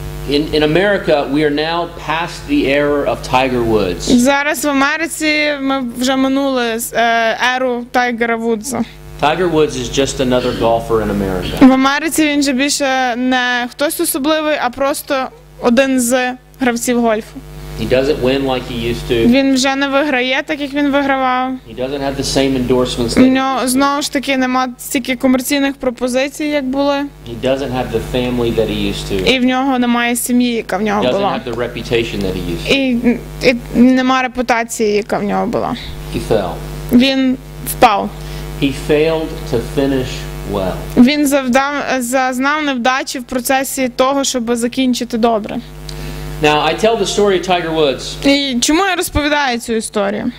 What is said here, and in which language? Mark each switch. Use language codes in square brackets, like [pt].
[en] In America, we are now past the era of Tiger Woods. [uk] Зараз в Америці ми вже минули еру Тайгера Вудса. [en] Tiger Woods is just another golfer in America. [uk] В Америці він же більше не хтось особливий, а просто один з гравців гольфу. [en] He doesn't win like he used to. [uk] Він вже не виграє так, як він вигравав. [en] He doesn't have the same endorsements. [uk] У нього знову ж таки немає стільки комерційних пропозицій, як були. [en] He doesn't have the family that he used to. [uk] І в нього немає сім'ї, яка в нього була. [en] He doesn't have the reputation that he used to. [uk] І немає репутації, яка в нього була. [en] He fell. [uk] Він впав. [en] He failed to finish well. [uk] Він зазнав невдачі в процесі того, щоб закінчити добре. [en] Now, I tell the story of Tiger Woods. [uk] І чому я розповідаю цю історію?